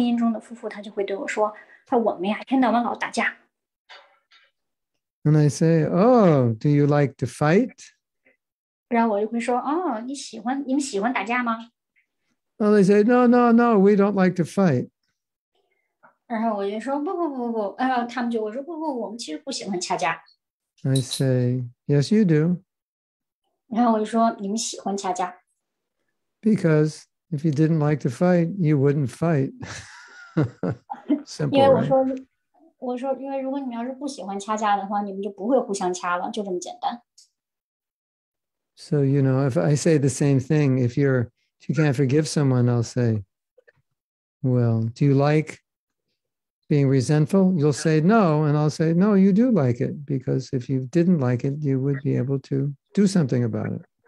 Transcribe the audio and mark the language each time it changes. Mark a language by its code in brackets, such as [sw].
[zh] 有的时候呢，就是一对婚姻中的夫妇，他就会对我说，他我们呀，天天晚上老打架。 [en] And I say, oh, do you like to fight? [zh] 然后我就会说，哦，你们喜欢打架吗？ [en] And they say, no, we don't like to fight. [zh] 然后我就说，不，他们就会说，不，我们其实不喜欢掐架。 [en] I say, yes, you do. [zh] 然后我就说，你们喜欢掐架。 [en] Because if you didn't like to fight, you wouldn't fight. Simple, right? [zh] 我说，因为如果你们要是不喜欢掐架的话，你们就不会互相掐了，就这么简单。 [en] So you know, if I say the same thing, if you can't forgive someone, I'll say, well, do you like being resentful? You'll say no, and I'll say no, you do like it, because if you didn't like it, you would be able to do something about it.